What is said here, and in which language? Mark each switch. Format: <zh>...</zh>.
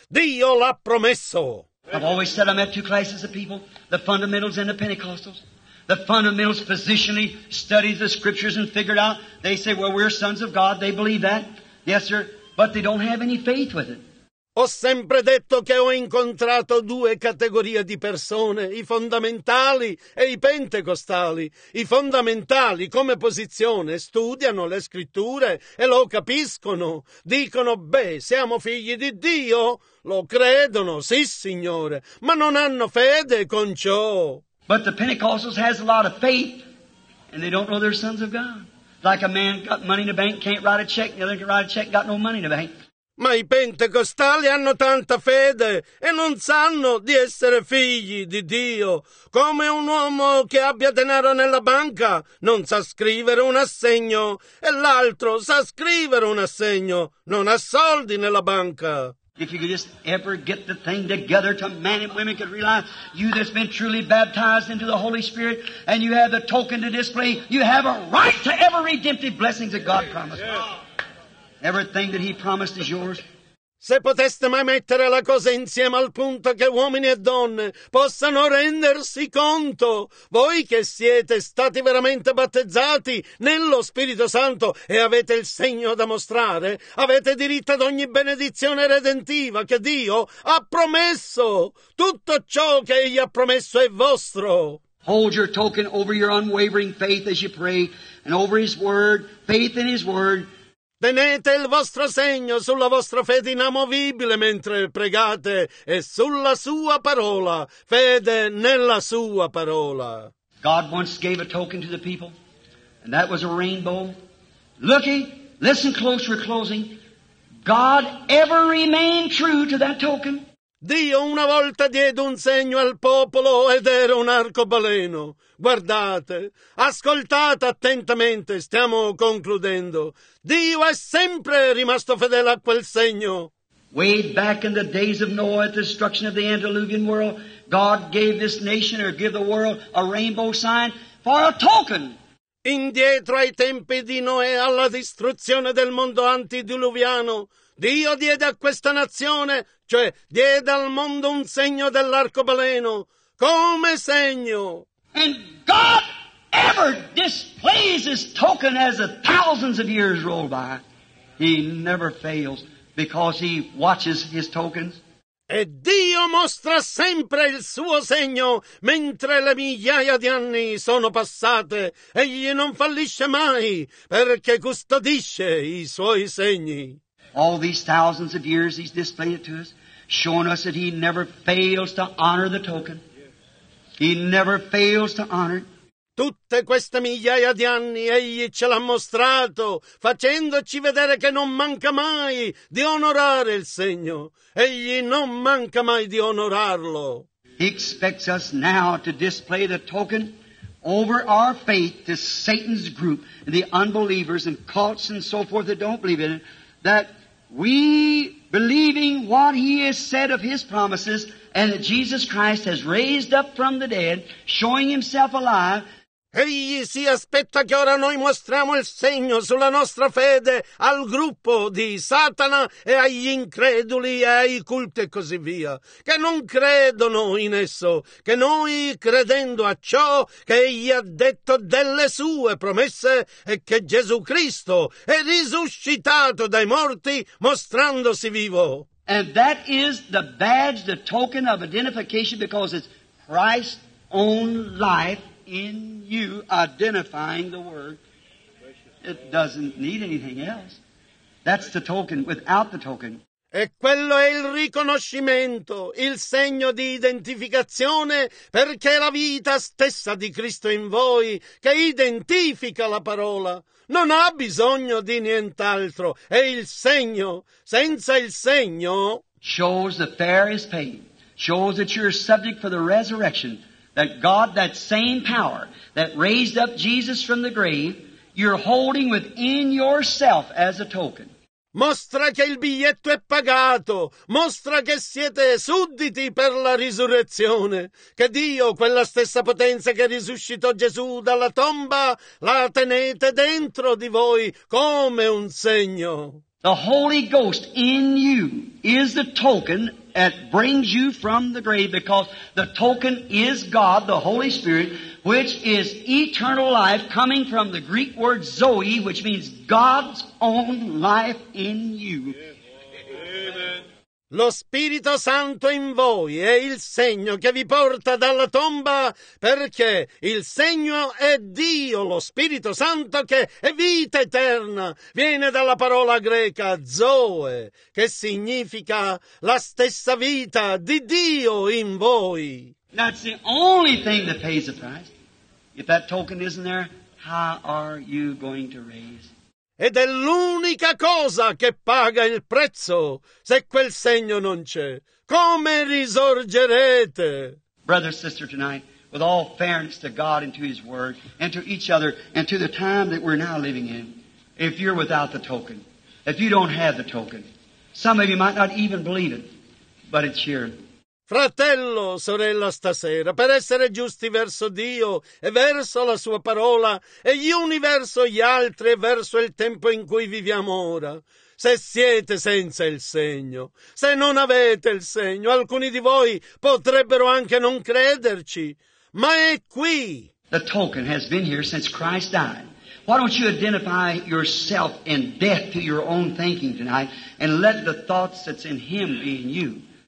<it>Dio l'ha promesso.</it> <en>I've always said I met two classes of people, the fundamentals and the Pentecostals. The fundamentals positionally study the scriptures and figure it out. They say, well, we're sons of God. They believe that. Yes, sir. But they don't have any faith with it.</en> <it>Ho sempre detto che ho incontrato due categorie di persone, i fondamentali e i pentecostali. I fondamentali, come posizione, studiano le scritture e lo capiscono. Dicono, beh, siamo figli di Dio. Lo credono, sì, Signore, ma non hanno fede con ciò.</it> <en>But the Pentecostals has a lot of faith, and they don't know they're sons of God. Like a man got money in the bank, can't write a check, the other can write a check, got no money in the bank.</en> <it>Ma i pentecostali hanno tanta fede e non sanno di essere figli di Dio. Come un uomo che abbia denaro nella banca non sa scrivere un assegno e l'altro sa scrivere un assegno, non ha soldi nella banca.</it> <en>If you could just ever get the thing together to man and women could realize you that's been truly baptized into the Holy Spirit and you have the token to display, you have a right to every redemptive blessings that God promised. Yeah. Everything that he promised is yours.</en> <it>Se poteste mai mettere la cosa insieme al punto che uomini e donne possano rendersi conto, voi che siete stati veramente battezzati nello Spirito Santo e avete il segno da mostrare, avete diritto ad ogni benedizione redentiva che Dio ha promesso. Tutto ciò che egli ha promesso è vostro.</it> <en>Hold your token over your unwavering faith as you pray, and over his word, faith in his word.</en> <it>Tenete il vostro segno sulla vostra fede inamovibile mentre pregate e sulla sua parola, fede nella sua parola.</it> <en>God once gave a token to the people, and that was a rainbow. Looking, listen close, we're closing. God ever remained true to that token.</en> <it>Dio una volta diede un segno al popolo ed era un arcobaleno. Guardate, ascoltate attentamente, stiamo concludendo. Dio è sempre rimasto fedele a quel segno.</it> <en>Way back in the days of Noah, at the destruction of the Antediluvian world, God gave this nation, or gave the world, a rainbow sign for a token.</en> <it>Indietro ai tempi di Noè, alla distruzione del mondo antidiluviano, Dio diede a questa nazione, cioè diede al mondo un segno dell'arcobaleno, come segno.</it> <en>And God ever displays his token as the thousands of years roll by. He never fails because he watches his tokens.</en> <it>E Dio mostra sempre il suo segno mentre le migliaia di anni sono passate. Egli non fallisce mai perché custodisce i suoi segni.</it> <en>All these thousands of years he's displayed it to us, showing us that he never fails to honor the token. He never fails to honor.</en> <it>Tutte queste migliaia di anni egli ce l'ha mostrato, facendoci vedere che non manca mai di onorare il segno. Egli non manca mai di onorarlo.</it> <en>He expects us now to display the token over our faith to Satan's group, the unbelievers and cults and so forth that don't believe in it, that we believing what he has said of his promises, and that Jesus Christ has raised up from the dead, showing himself alive.</en> <it>Egli si aspetta che ora noi mostriamo il segno sulla nostra fede al gruppo di Satana e agli increduli e ai culti e così via, che non credono in esso, che noi credendo a ciò che egli ha detto delle sue promesse e che Gesù Cristo è risuscitato dai morti mostrandosi vivo.</it> <en>And that is the badge, the token of identification, because it's Christ's own life in you identifying the word. It doesn't need anything else. That's the token, without the token.</en> <it>E quello è il riconoscimento, il segno di identificazione, perché è la vita stessa di Cristo in voi che identifica la parola. Non ha bisogno di nient'altro, è il segno. Senza il segno</it> <en>shows the fairest pain, shows that you're subject for the resurrection. That God, that same power that raised up Jesus from the grave, you're holding within yourself as a token.</en> <it>Mostra che il biglietto è pagato. Mostra che siete sudditi per la risurrezione. Che Dio, quella stessa potenza che risuscitò Gesù dalla tomba, la tenete dentro di voi come un segno.</it> <en>The Holy Ghost in you is the token that brings you from the grave, because the token is God, the Holy Spirit, which is eternal life, coming from the Greek word Zoe, which means God's own life in you.</en> <it>Lo Spirito Santo in voi è il segno che vi porta dalla tomba, perché il segno è Dio, lo Spirito Santo, che è vita eterna. Viene dalla parola greca Zoe, che significa la stessa vita di Dio in voi.</it> <en>That's the only thing that pays the price. If that token isn't there, how are you going to raise?</en> <it>Ed è l'unica cosa che paga il prezzo. Se quel segno non c'è, come risorgerete?</it> <en>Brother, sister, tonight, with all fairness to God and to His Word and to each other and to the time that we're now living in, if you're without the token, if you don't have the token, some of you might not even believe it, but it's here.</en> <it>Fratello, sorella, stasera, per essere giusti verso Dio e verso la Sua parola, e gli uni verso gli altri e verso il tempo in cui viviamo ora, se siete senza il segno, se non avete il segno, alcuni di voi potrebbero anche non crederci, ma è qui.</it> <en>The token has been here since Christ died. Why don't you identify yourself in death to your own thinking tonight and let the thoughts that's in Him be in you?</en>